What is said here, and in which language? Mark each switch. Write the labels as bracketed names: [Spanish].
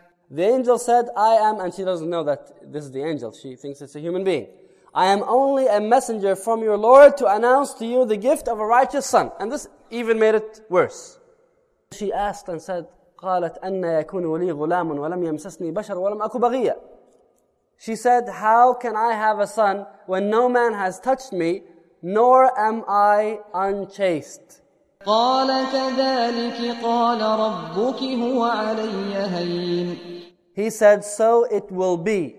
[English] The angel said, "I am," and she doesn't know that this is the angel. She thinks it's a human being. "I am only a messenger from your Lord to announce to you the gift of a righteous son." And this even made it worse. She asked and said, [Arabic] قَالَتْ أَنَّ يَكُونُ لِي غُلَامٌ وَلَمْ يَمْسَسْنِي بَشَرٌ وَلَمْ أَكُ بَغِيًّا. [English] She said, "How can I have a son when no man has touched me, nor am I unchaste?" [Arabic] قَالَ كَذَلِكِ قَالَ رَبُّكِ هُوَ عَلَيَّ هَيِّنٌ. [English] He said, so it will be.